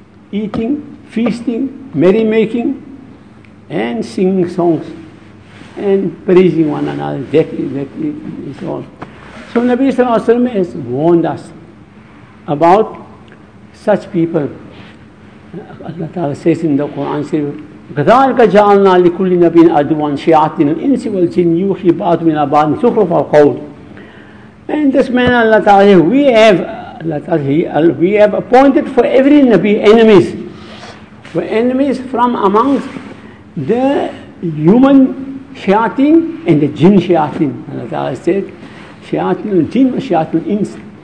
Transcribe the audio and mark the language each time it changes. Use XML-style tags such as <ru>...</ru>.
<en>Eating, feasting, merrymaking, and singing songs, and praising one another, that is all. So Nabi Sallallahu Alaihi Wasallam has warned us about such people. Allah Ta'ala says in the Quran,</en> <ar>كَذَلْكَ جَعَلْنَا لِكُلِّ نَبِيٍ أَدْوَانْ شِيَعَةٍ الْإِنْسِ وَالْجِنِّ يُوحِي بَعْضُمِ الْأَبَانِ سُخْرُفَ الْقَوْلِ.</ar> <en>And this man, Allah Ta'ala says, we have appointed for every Nabi enemies. For enemies from amongst the human Shayatin and the jinn shayatin. Allah Ta'ala said, shayatin and jinn or shayatin ins.</en>